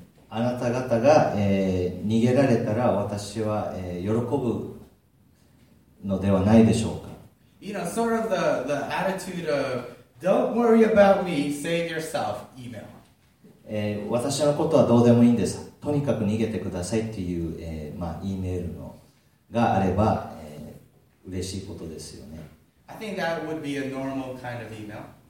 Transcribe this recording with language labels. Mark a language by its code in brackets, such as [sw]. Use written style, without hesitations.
[ja] あなた方が、逃げられたら私は、喜ぶのではないでしょうか。 [en] You know, sort of the attitude of "Don't worry about me, save yourself." Email.、 [ja] 私のことはどうでもいいんです。とにかく逃げてくださいっていう、まあ、E メールのがあれば、嬉しいことですよね。 [en] I think that would be a normal kind of email.